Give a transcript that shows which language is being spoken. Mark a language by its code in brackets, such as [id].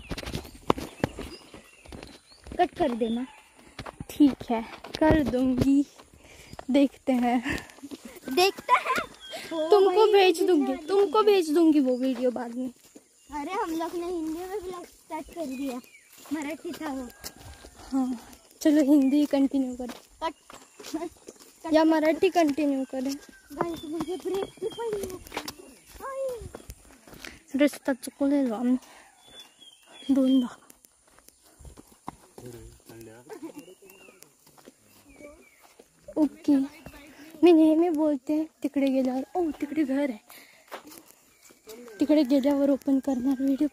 [hi] Cut कर देना. ठीक है, कर दूंगी. देखते हैं. देखते हैं. तुमको भेज दूंगी, तुमको भेज दूंगी वो वीडियो बाद में. अरे हम लोग ने हिंदी में ब्लॉग स्टार्ट कर दिया, मराठी था वो. हाँ, चलो हिंदी कंटिन्यू कर. कट, या मराठी कंटिन्यू करें. गाइस मुझे ब्रेक की पाई है. [mr] रस्ता चुकलेलो आम्ही दोनदा. ओके, मी नेहमी बोलते तिकडे गेल्यावर. ओ तिकडे घर आहे, तिकडे गेल्यावर ओपन करणार व्हिडिओ.